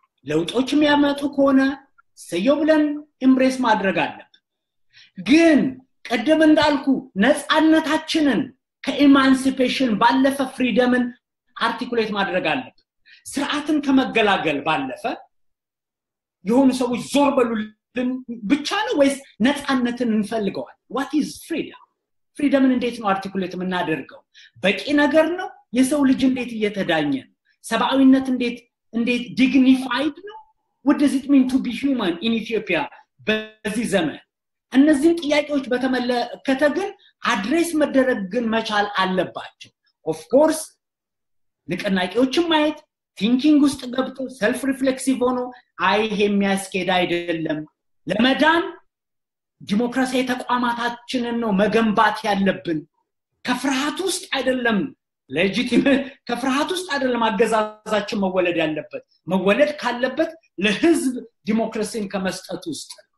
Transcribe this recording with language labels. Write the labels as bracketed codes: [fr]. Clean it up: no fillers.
[am] ለውጦች የሚያመጡ ከሆነ ሰየው ብለን ኢምብሬስ ማድረግ አለብን ግን ቀደም እንዳልኩ ነፃነታችንን ከኢማንሲፔሽን ባለፈ ፍሪደምን አርቲኩሌት ማድረግ አለብን ስርዓትን ከመገላገል ባለፈ የሆኑ ሰዎች ዞር በሉ ብቻ ወይስ ነፃነትን እንፈልጋለን? [en] What is freedom? Freedom in date articulate [am] እናደርገው በቂ ነገር ነው? የሰው ልጅ እንዴት እየተዳኘ ነው? ሰብአዊነት እንዴት dignified ነው? [en] What does it mean to be human in Ethiopia? [am] በዚህ ዘመን እነዚህ ጥያቄዎች በተመለከተ ግን address መደረግ ግን መቻል አለባቸው። [en] Of course [am] ንቅናቄዎችን ማየት thinking ውስጥ ገብቶ self reflexive ሆኖ አይ የሚያስኬድ አይደለም ለመዳን ዲሞክራሲያዊ ተቋማታችንን ነው መገንባት ያለብን ከፍርሃት ውስጥ አይደለም legitimate ከፍርሃት ውስጥ አይደለም አገዛዛችን መወለድ ያለበት መወለድ ካለበት ለህዝብ ዲሞክራሲን ከመስጠት ውስጥ